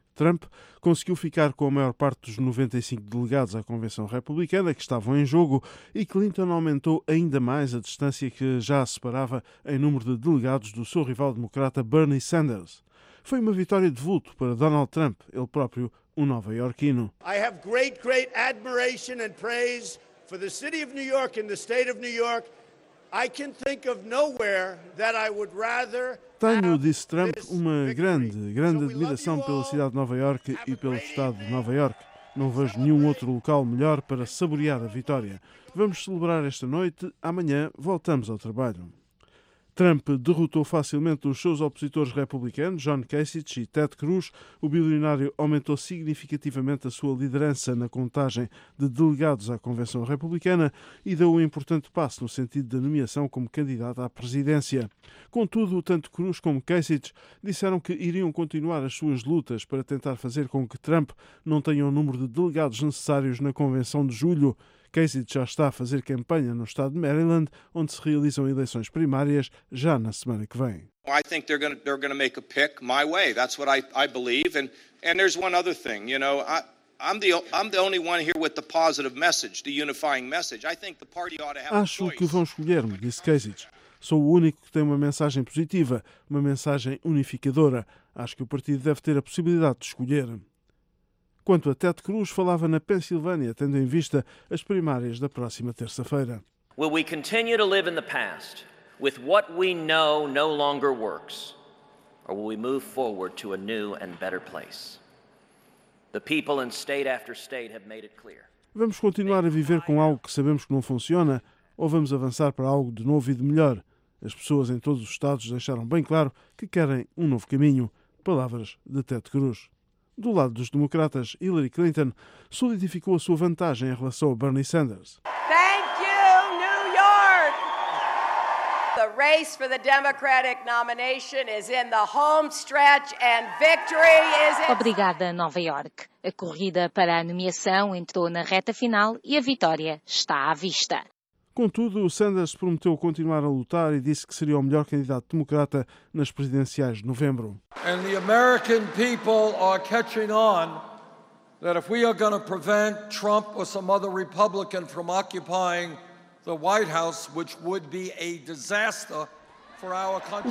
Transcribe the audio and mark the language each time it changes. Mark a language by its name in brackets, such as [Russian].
[Portuguese] Trump conseguiu ficar com a maior parte dos 95 delegados à Convenção Republicana que estavam em jogo e Clinton aumentou ainda mais a distância que já separava em número de delegados do seu rival democrata Bernie Sanders. Foi uma vitória de vulto para Donald Trump, ele próprio um nova-iorquino. [English] I have great, great admiration and praise for the city of New York and the state of New York. I can think of nowhere that I would rather. [Portuguese] Tenho, disse Trump, uma grande, grande admiração pela cidade de Nova York e pelo estado de Nova York. Não vejo nenhum outro local melhor para saborear a vitória. Vamos celebrar esta noite. Amanhã voltamos ao trabalho. Trump derrotou facilmente os seus opositores republicanos, John Kasich e Ted Cruz. O bilionário aumentou significativamente a sua liderança na contagem de delegados à Convenção Republicana e deu um importante passo no sentido da nomeação como candidato à presidência. Contudo, tanto Cruz como Kasich disseram que iriam continuar as suas lutas para tentar fazer com que Trump não tenha o número de delegados necessários na Convenção de julho. Kasich já está a fazer campanha no estado de Maryland, onde se realizam eleições primárias já na semana que vem. [English] I think they're going to make a pick my way. That's what I believe. And there's one other thing, you know, I'm the only one here with the positive message, the unifying message. I think the party ought to have a choice. [Portuguese] Acho que vão escolher-me, disse Kasich. Sou o único que tem uma mensagem positiva, uma mensagem unificadora. Acho que o partido deve ter a possibilidade de escolher. Quanto a Ted Cruz, falava na Pensilvânia, tendo em vista as primárias da próxima terça-feira. [English] Will we continue to live in the past with what we know no longer works, or will we move forward to a new and better place? The people in state after state have made it clear. [Portuguese] Vamos continuar a viver com algo que sabemos que não funciona, ou vamos avançar para algo de novo e de melhor? As pessoas em todos os estados deixaram bem claro que querem um novo caminho. Palavras de Ted Cruz. Do lado dos democratas, Hillary Clinton solidificou a sua vantagem em relação a Bernie Sanders. [English] Thank you, New York. The race for the Democratic nomination is in the home stretch and victory is in... [Portuguese] Obrigada, Nova York. A corrida para a nomeação entrou na reta final e a vitória está à vista. Contudo, Sanders prometeu continuar a lutar e disse que seria o melhor candidato democrata nas presidenciais de novembro. [English] And the American people are catching on that if we are going to prevent Trump or some other Republican from occupying the White House, which would be a disaster for our country.